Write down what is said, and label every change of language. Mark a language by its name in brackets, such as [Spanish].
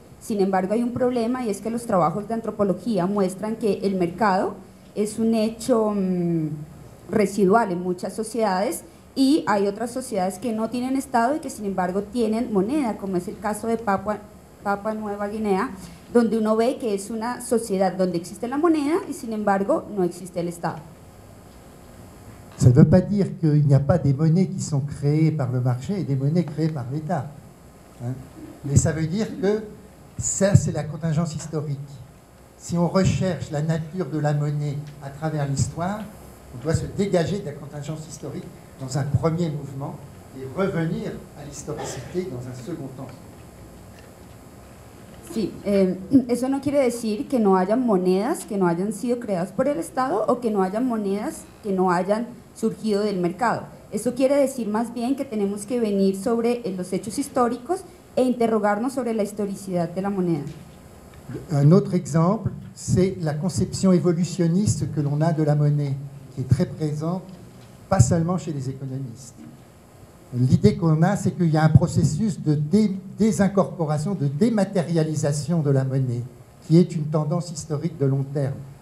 [Spanish] Sin embargo, hay un problema y es que los trabajos de antropología muestran que el mercado es un hecho residual en muchas sociedades y hay otras sociedades que no tienen Estado y que sin embargo tienen moneda, como es el caso de Papua Nueva Guinea, donde uno ve que es una sociedad donde existe la moneda y sin embargo no existe el Estado. [French] Ça ne veut pas dire qu'il n'y a pas des monnaies qui sont créées par le marché et des monnaies créées par l'État. Hein? Mais ça veut dire que ça, c'est la contingence historique. si on recherche la nature de la monnaie à travers l'histoire, on doit se dégager de la contingence historique dans un premier mouvement et revenir à l'historicité dans un second temps. [Spanish] Sí, eso no quiere decir que no hayan monedas que no hayan sido creadas por el Estado o que no hayan monedas que no hayan surgido del mercado. Eso quiere decir más bien que tenemos que venir sobre los hechos históricos e interrogarnos sobre la historicidad de la moneda. [French] Un autre exemple, c'est la conception évolutionniste que l'on a de la monnaie, qui est très présente, pas seulement chez les économistes. L'idée qu'on a, c'est qu'il y a un processus de désincorporation, de dématérialisation de la monnaie, qui est une tendance historique de long terme.